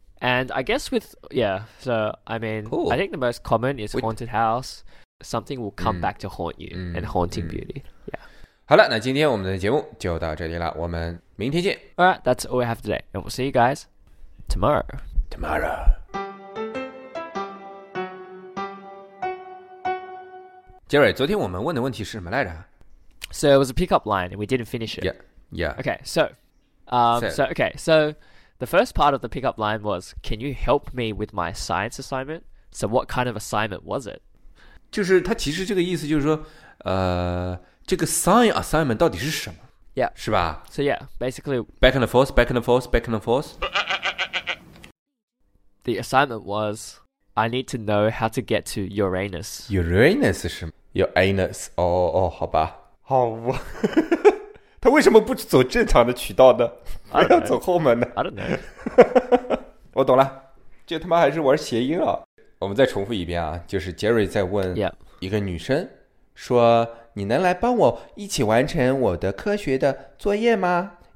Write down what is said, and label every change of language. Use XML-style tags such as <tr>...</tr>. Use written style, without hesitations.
<en>And I guess with yeah, so I mean,、 cool. I think the most common is haunted house. Something will come back to haunt you and haunting beauty. Yeah.</en> <zh>好了，那今天我们的节目就到这里了，我们明天见。</zh> <en>All right, that's all we have today, and we'll see you guys. Tomorrow.</en> <zh>Jerry, 昨天我们问的问题是什么来着？</zh> <en>So it was a pickup line and we didn't finish it. Yeah. Yeah. Okay, so the first part of the pickup line was, can you help me with my science assignment? So what kind of assignment was it?</en> <zh>就是他其实这个意思就是说，这个 science assignment 到底是什么？</zh> <en>Yeah.</en> <zh>是吧？</zh> <en>So yeah, basically... Back and forth, back and forth, back and forth. The assignment was, I need to know how to get to Uranus.</en> <zh>Uranus 是什么 ？Uranus 哦哦，好吧，好吧。他为什么不走正常的渠道呢？还要走后门呢</zh> <en>？I don't know.</en> <zh>我懂了，这他妈还是玩谐音啊！我们再重复一遍啊，就是 Jerry 在问一个女生说：“你能来帮我一起完成我的科学的作业吗？”</zh>